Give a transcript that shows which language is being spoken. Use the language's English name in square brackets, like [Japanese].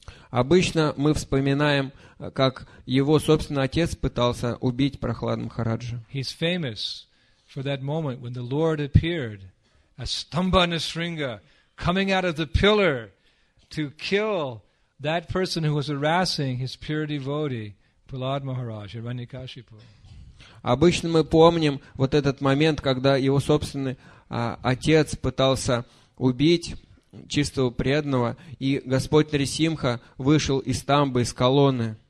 [Russian] Обычно мы вспоминаем, как его собственный отец пытался убить Прахлад Махараджа. [English] He's famous for that moment when the Lord appeared, a Stambha Nisringa coming out of the pillar to kill that person who was harassing his pure devotee, Prahlad Maharaj, Hiranyakashipu. [Russian] Обычно мы помним вот этот момент, когда его собственный отец пытался убить чистого преданного, и Господь Нарисимха вышел из тамбы, из колонны.